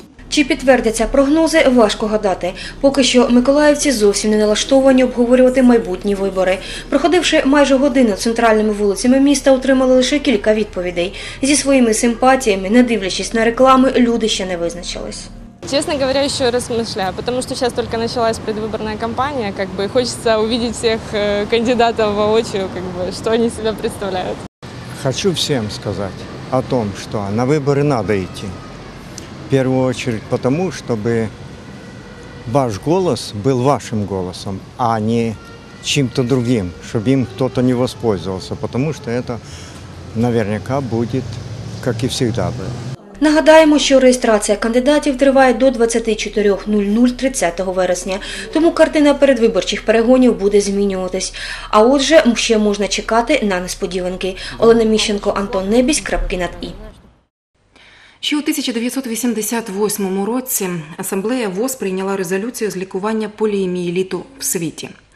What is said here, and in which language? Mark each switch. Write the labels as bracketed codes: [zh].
[uk] Чи підтвердяться прогнози, важко гадати. Поки що миколаївці зовсім не налаштовані обговорювати майбутні вибори. Проходивши майже годину центральними вулицями міста, отримали лише кілька відповідей. Зі своїми симпатіями, не дивлячись на реклами, люди ще не визначились. [ru] Честно говоря, еще размышляю, потому что сейчас только началась предвыборная кампания, как бы хочется увидеть всех кандидатов воочию, как бы, что они себя представляют. Хочу всем сказать о том, что на выборы надо идти. В первую очередь потому, чтобы ваш голос был вашим голосом, а не чем-то другим, чтобы им кто-то не воспользовался, потому что это наверняка будет, как и всегда было. [uk] Нагадаємо, що реєстрація кандидатів триває до 24.00 30 вересня, тому картина передвиборчих перегонів буде змінюватись. А отже, ще можна чекати на несподіванки. Олена Міщенко, Антон Небісь, крапки над «і». Ще у 1988 році Асамблея ВОЗ прийняла резолюцію з лікування поліомієліту в світі.